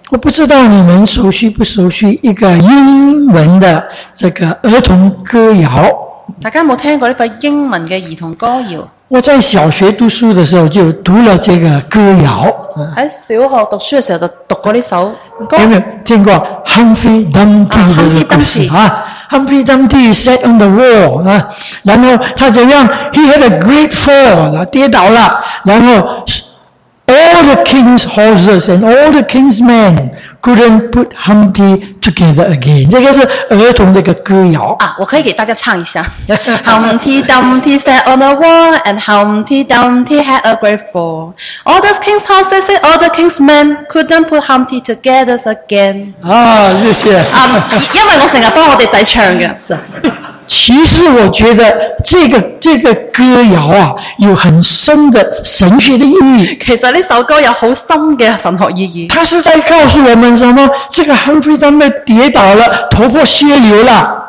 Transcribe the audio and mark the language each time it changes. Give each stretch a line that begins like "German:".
Chinese: 我不知道你们熟悉不熟悉一个英文的这个儿童歌谣。大家有没有听过这份英文的儿童歌谣？我在小学读书的时候就读了这个歌谣。在小学读书的时候就读过这首歌。有没有听过 Humphrey Dumpty 的故事？
English: Humphrey Dumpty sat on the wall，
Chinese: 然后他怎样？
English: He had a great fall，
Chinese: 跌倒了，然后
English: All the king's horses and all the king's men couldn't put Humpty together again。
Chinese: 这个是儿童的一个歌谣啊，我可以给大家唱一下。
English: Humpty Dumpty sat on the wall and Humpty Dumpty had a great fall. All the king's horses and all the king's men couldn't put Humpty together again。
Chinese: 啊，谢谢。因为我经常帮我们仔唱的。其实我觉得这个歌谣啊，有很深的神学的意义。其实这首歌有很深的神学意义。他是在告诉我们什么？这个 Humphrey Dumpty 跌倒了，头破血流了。